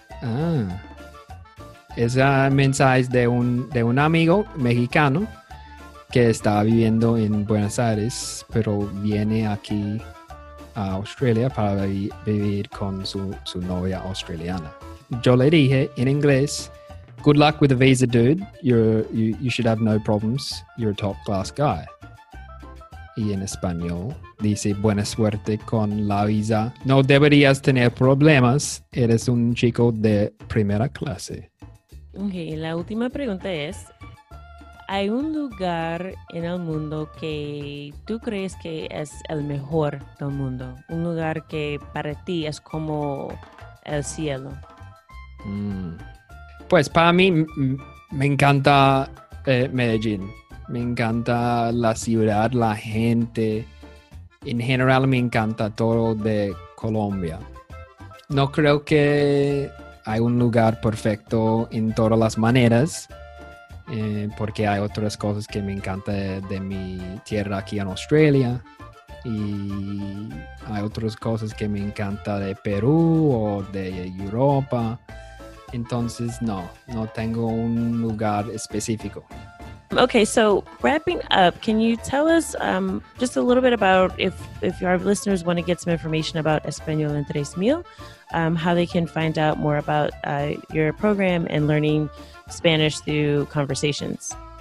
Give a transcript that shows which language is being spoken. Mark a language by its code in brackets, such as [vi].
[es] Ah, es un mensaje de un amigo mexicano que está viviendo en Buenos Aires, pero viene aquí a Australia para vivir con su novia australiana. Yo le dije en inglés, [en] good luck with the visa, dude. You should have no problems. You're a top class guy. [es] Y en español dice, buena suerte con la visa. No deberías tener problemas. Eres un chico de primera clase. Ok, la última pregunta es, ¿hay un lugar en el mundo que tú crees que es el mejor del mundo? ¿Un lugar que para ti es como el cielo? Pues para mí me encanta Medellín. Me encanta la ciudad, la gente. En general, me encanta todo de Colombia. No creo que hay un lugar perfecto en todas las maneras, porque hay otras cosas que me encanta de mi tierra aquí en Australia. Y hay otras cosas que me encanta de Perú o de Europa. Entonces, no tengo un lugar específico. [en] Okay, so wrapping up, can you tell us just a little bit about if our listeners want to get some information about Español en 3000, how they can find out more about your program and learning Spanish through conversations?